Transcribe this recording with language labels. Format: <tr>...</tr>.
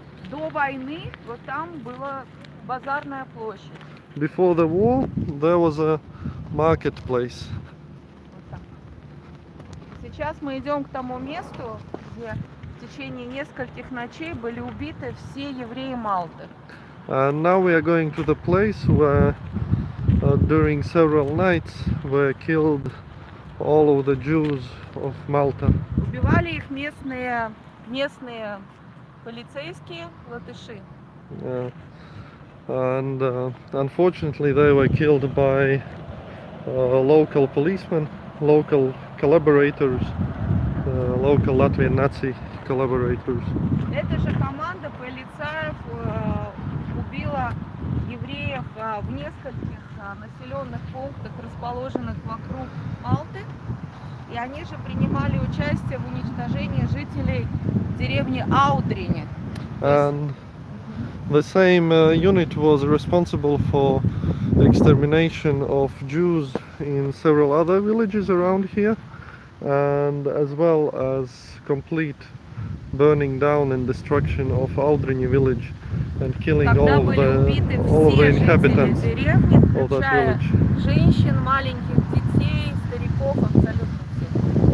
<ru>До войны вот там была базарная площадь.</ru> <en>Before the war, there was a marketplace.</en> <ru>Сейчас мы идем к тому месту, где в течение нескольких ночей были убиты все евреи Малты.</ru> <en>And now we are going to the place where, during several nights, were killed. All of the Jews of Malta.</en> <ru>Убивали их местные полицейские латыши.</ru> <en>Yeah. And unfortunately they were killed by local policemen, local collaborators, local Latvian Nazi collaborators.</en> <ru>Эта же команда полицаев убила евреев в нескольких населенных пунктах, расположенных вокруг Малты. И они же принимали участие в уничтожении жителей деревни Аудрини.</ru> <en>And the same unit was responsible for extermination of Jews in several other villages around here, and as well as complete burning down and destruction of Аудрини village and killing all of the inhabitants of that village.</en> <ru>Женщин, маленьких детей, стариков, абсолютно.</ru>